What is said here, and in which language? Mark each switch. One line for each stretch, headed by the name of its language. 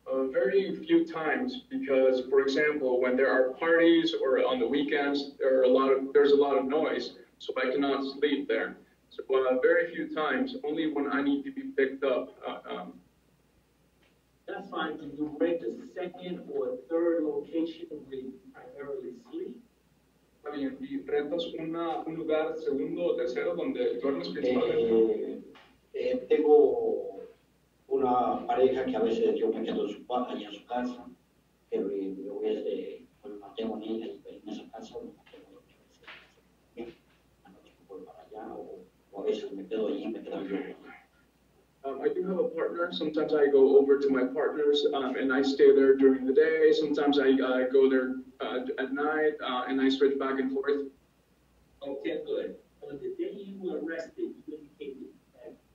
English: Very few times, because for example, when there are parties or on the weekends, there's a lot of noise, so I cannot sleep there. So very few times, only when I need to be picked up. That's fine. Do you rent a second or a third location where you primarily sleep?
Spanish: Está bien. ¿Y rentas un lugar segundo o tercero donde duermes principalmente? Tengo una pareja que a veces yo me quedo allí en su casa, pero yo me mantengo en ella en esa casa, o me mantengo en otra vez. A veces me voy para allá, o a veces me quedo allí y me quedo yo.
English: I do have a partner. Sometimes I go over to my partner's and I stay there during the day. Sometimes I go there at night and I switch back and forth. Okay, good. On the day you were arrested, you indicated that.